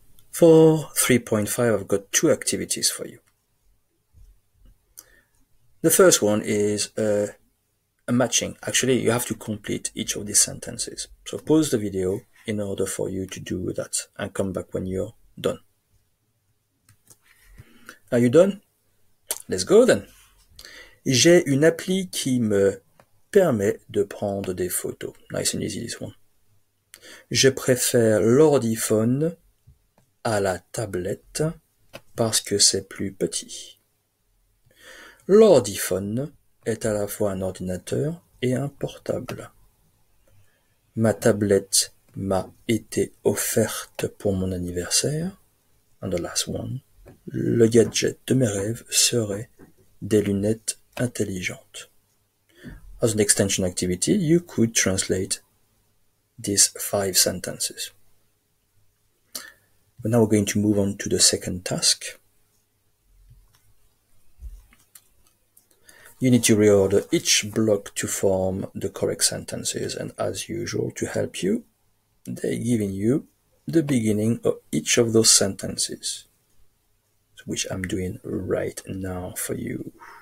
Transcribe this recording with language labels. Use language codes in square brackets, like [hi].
[en] For 3.5, I've got two activities for you. The first one is a matching. Actually, you have to complete each of these sentences. So pause the video in order for you to do that and come back when you're done. Are you done? Let's go then. [fr] J'ai une appli qui me permet de prendre des photos. [en] Nice and easy, this one. [fr] Je préfère l'ordiphone à la tablette parce que c'est plus petit. L'ordiphone est à la fois un ordinateur et un portable. Ma tablette m'a été offerte pour mon anniversaire. [en] And the last one. [fr] Le gadget de mes rêves serait des lunettes intelligentes. [en] As an extension activity, you could translate these five sentences. But now we're going to move on to the second task. You need to reorder each block to form the correct sentences, and as usual, to help you, they're giving you the beginning of each of those sentences, which I'm doing right now for you.